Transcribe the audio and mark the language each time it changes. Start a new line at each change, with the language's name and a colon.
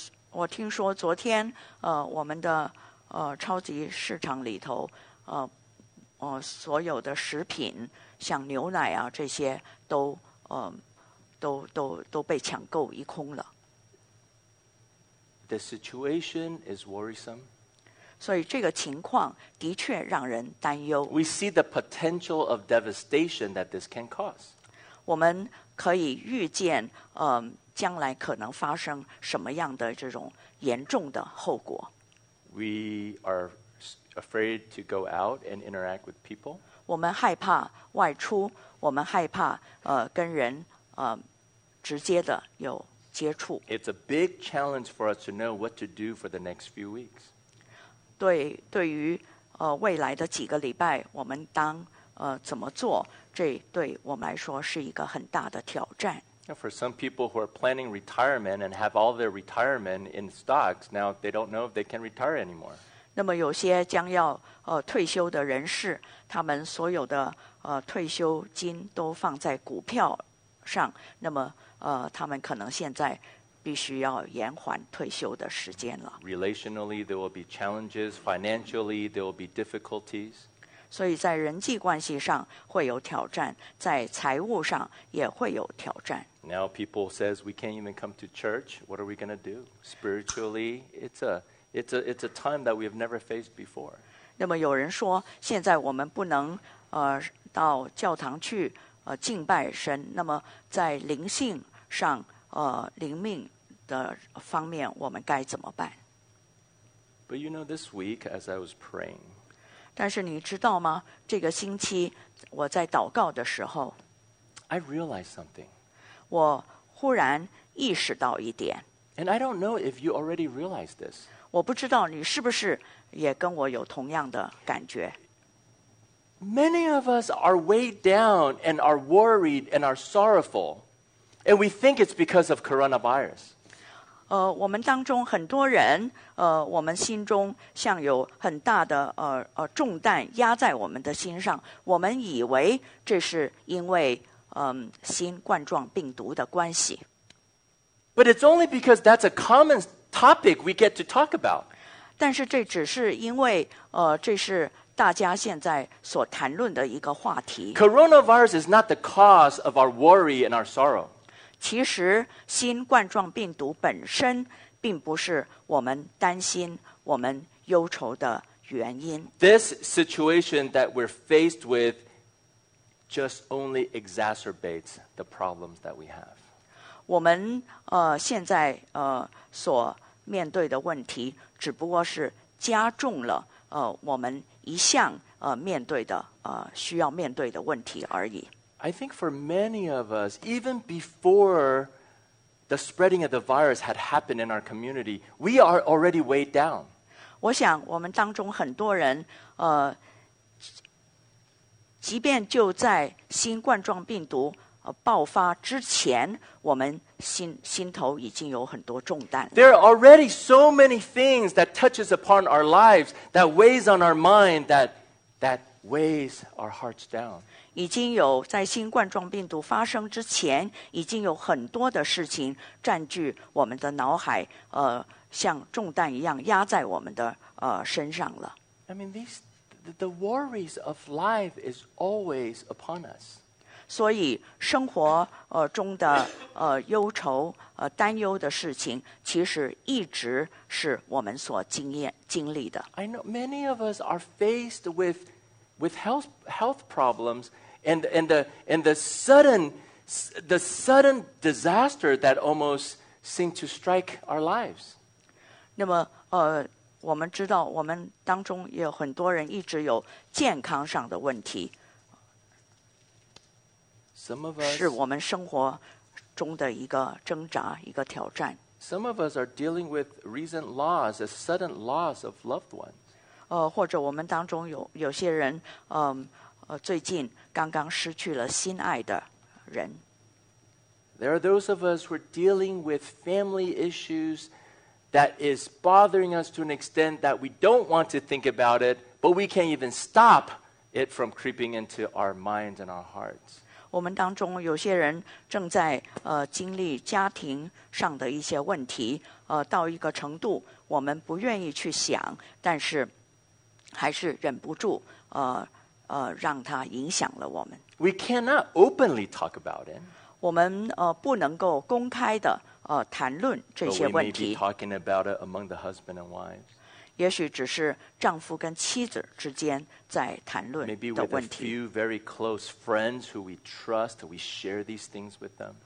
Chinese: 我听说昨天我们的超级市场里头所有的食品像牛奶啊这些都都被抢购一空了。
English: The situation is worrisome.
Chinese: 所以这个情况的确让人担忧。
English: We see the potential of devastation that this can cause.
Chinese: 我们可以预见将来可能发生什么样的这种严重的后果。
English: We are afraid to go out and interact with people.
Chinese: 我们害怕外出，我们害怕跟人直接的有接触。
English: It's a big challenge for us to know what to do for the next few weeks.
Chinese: 对于未来的几个礼拜，我们当怎么做？这对我们来说是一个很大的挑战。
English: For some people who are planning retirement and have all their retirement in stocks, now they don't know if they can retire anymore.
Chinese: 那么有些将要退休的人士，他们所有的退休金都放在股票上，那么他们可能现在必须要延缓退休的时间了。
English: Relationally, there will be challenges. Financially, there will be difficulties.
Chinese: 所以在人际关系上会有挑战，在财务上也会有挑战。
English: Now people says we can't even come to church. What are we going to do? Spiritually, it's a time that we have never faced before.
Chinese: 那么有人说，现在我们不能到教堂去敬拜神。那么在灵性上灵命的方面，我们该怎么办？
English: But you know, this week as I was praying.
Chinese: 但是你知道吗？这个星期我在祷告的时候
English: ，I realized something.
Chinese: 我忽然意识到一点。
English: And I don't know if you already realized this.
Chinese: 我不知道你是不是也跟我有同样的感觉。
English: Many of us are weighed down and are worried and are sorrowful, and we think it's because of coronavirus.
Chinese: 我们当中很多人我们心中像有很大的重担压在我们的心上，我们以为这是因为新冠状病毒的关系。
English: But it's only because that's a common topic we get to talk about.
Chinese: 但是这只是因为这是大家现在所谈论的一个话题。
English: Coronavirus is not the cause of our worry and our sorrow.
Chinese: 其实新冠状病毒本身并不是我们担心我们忧愁的原因。
English: This situation that we're faced with just only exacerbates the problems that we have.
Chinese: 我们现在所面对的问题只不过是加重了我们一向面对的需要面对的问题而已。
English: I think for many of us, even before the spreading of the virus had happened in our community, we are already weighed down.
Chinese: 我想我们当中很多人即便就在新冠状病毒爆发之前，我们心头已经有很多重担。
English: There are already so many things that touches upon our lives, that weighs on our mind, that weighs our hearts down.
Chinese: 已经有在新冠状病毒发生之前，已经有很多的事情占据我们的脑海，像重担一样压在我们的身上了。
English: I mean, the worries of life is always upon us.
Chinese: 所以生活中的忧愁担忧的事情，其实一直是我们所经历的。
English: I know many of us are faced with health problems and the sudden disaster that almost seemed to strike our lives.
Chinese: 那么我们知道我们当中也有很多人一直有健康上的问题。
English: Some of us
Chinese: 是我们生活中的一个挣扎，一个挑战。
English: Some of us are dealing with recent loss, a sudden loss of loved ones.
Chinese: 或者我们当中有些人最近刚刚失去了心爱的人。
English: There are those of us who are dealing with family issues that is bothering us to an extent that we don't want to think about it, but we can't even stop it from creeping into our minds and our hearts.
Chinese: 我们当中有些人正在经历家庭上的一些问题，到一个程度我们不愿意去想，但是还是忍不住让它影响了我们。
English: We cannot openly talk about it.
Chinese: 我们不能够公开的谈论这些问题。
English: But we may be talking about it among the husband and wives.
Chinese: 也许只是丈夫跟妻子之间在谈论的问题。
English: Maybe with a few very close friends who we trust, we share these things with them.